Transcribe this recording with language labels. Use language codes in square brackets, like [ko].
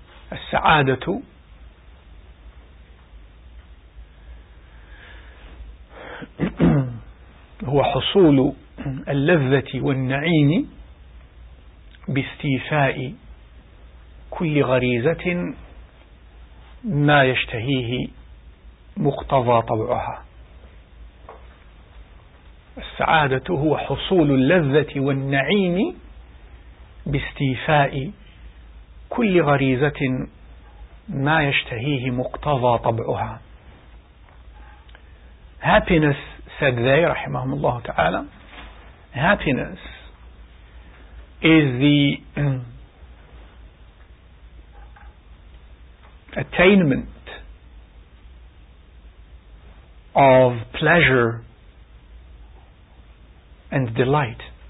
[ar] as-sa'adatu هو حصول اللذة والنعيم باستيفاء كل غريزة ما يشتهيه مقتضى طبعها. السعادة هو حصول اللذة والنعيم باستيفاء كل غريزة ما يشتهيه مقتضى طبعها. [en] Happiness, said they, [ar] رحمهم الله تعالى, [en] happiness is the attainment of pleasure and delight.